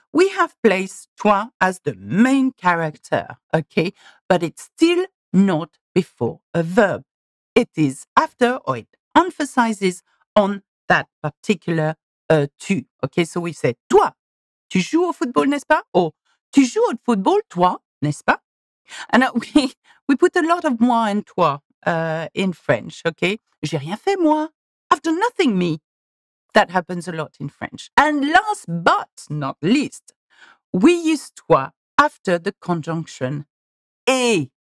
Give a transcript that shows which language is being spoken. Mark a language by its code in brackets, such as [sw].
[en] We have placed toi as the main character, okay? But it's still not before a verb. It is after, or it emphasizes on that particular tu. Okay, so we say, [fr] toi, tu joues au football, n'est-ce pas? [en] Or, [fr] tu joues au football, toi, n'est-ce pas? [en] And we put a lot of moi and toi in French, okay? [fr] J'ai rien fait, moi. [en] I've done nothing, me. That happens a lot in French. And last but not least, we use toi after the conjunction et.